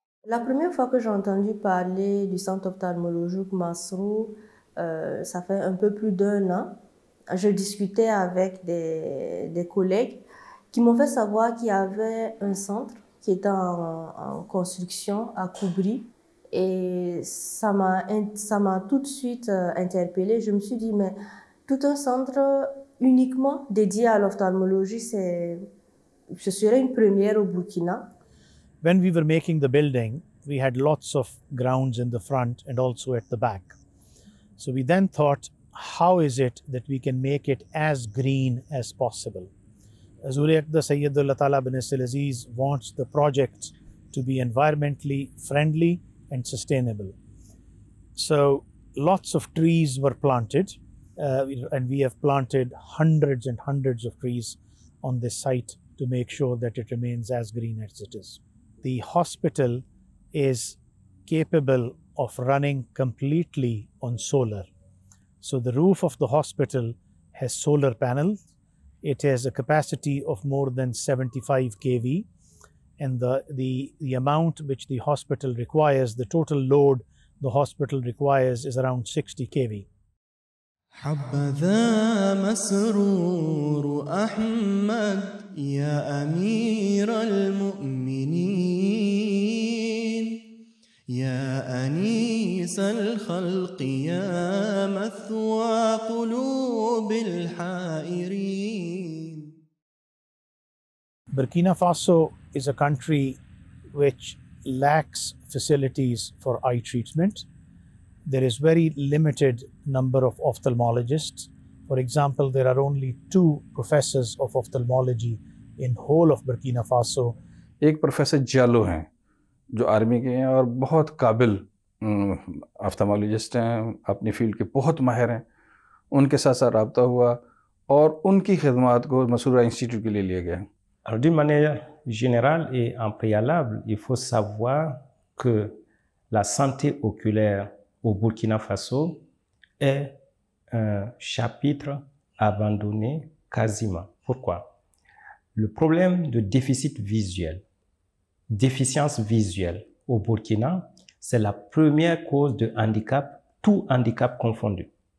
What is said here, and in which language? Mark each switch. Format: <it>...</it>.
<fr>La première fois que j'ai entendu parler du centre ophtalmologique Masroor, ça fait un peu plus d'un an, je discutais avec des collègues qui m'ont fait savoir qu'il y avait un centre qui était en construction à Koubli. Et ça m'a tout de suite interpellée. Je me suis dit, mais tout un centre uniquement dédié à l'ophtalmologie, ce serait une première au Burkina.</fr> <en>When we were making the building, we had lots of grounds in the front and also at the back. So we then thought, how is it that we can make it as green as possible? Azuri Akda Sayyidullah Tala bin Isil Aziz wants the project to be environmentally friendly and sustainable. So lots of trees were planted, and we have planted hundreds and hundreds of trees on this site to make sure that it remains as green as it is. The hospital is capable of running completely on solar. So the roof of the hospital has solar panels. It has a capacity of more than 75 kV. And the amount which the hospital requires, the total load the hospital requires, is around 60 kV.</en> <ar>حبذا مسرور أحمد يا أمير المؤمنين يا أنيس الخلق يا مثوى قلوب الحائرين.</ar> <en>Burkina Faso is a country which lacks facilities for eye treatment. There is very limited number of ophthalmologists. For example, there are only two professors of ophthalmology in whole of Burkina Faso.</en> <hi>एक professor जालो हैं, जो army के हैं और बहुत काबिल ophthalmologist हैं, अपनी field के बहुत माहिर हैं. उनके साथ साथ राबता हुआ और उनकी खिदमत को मसूरा institute के लिए लिया गया.</hi> <fr>Alors, d'une manière générale et en préalable, il faut savoir que la santé oculaire au Burkina Faso est un chapitre abandonné quasiment. Pourquoi? Le problème de déficit visuel, déficience visuelle au Burkina, c'est la première cause de handicap, tout handicap confondu.</fr>